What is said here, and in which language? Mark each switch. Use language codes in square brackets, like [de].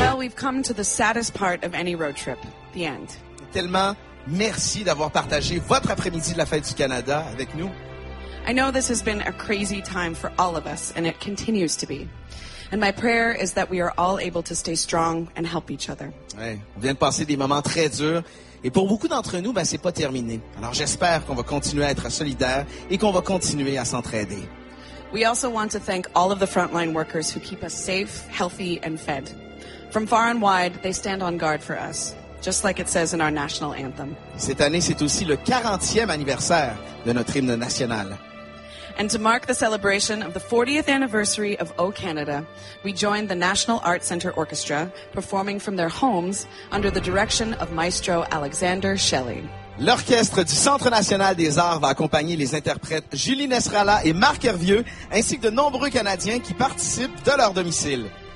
[en] Well, we've come to the saddest part of any road trip, the end. [fr] Tellement merci d'avoir partagé votre après-midi de la fête du Canada avec nous. [en] I know this has been a crazy time for all of us, and it continues to be. And my prayer is that we are all able to stay strong and help each other. [fr] Ouais, on vient de passer des moments très durs, et pour beaucoup d'entre nous, ben c'est pas terminé. Alors j'espère qu'on va continuer à être solidaires et qu'on va continuer à s'entraider. [en] We also want to thank all of the frontline workers who keep us safe, healthy, and fed. From far and wide, they stand on guard for us, just like it says in our national anthem. [fr] Cette année, c'est aussi le 40e anniversaire de notre hymne national. [en] And to mark the celebration of the 40th anniversary of O Canada, we joined the National Art Center Orchestra, performing from their homes under the direction of Maestro Alexander Shelley. [fr] L'Orchestre du Centre national des arts va accompagner les interprètes Julie Nesralla et Marc Hervieux, ainsi que de nombreux Canadiens qui participent de leur domicile.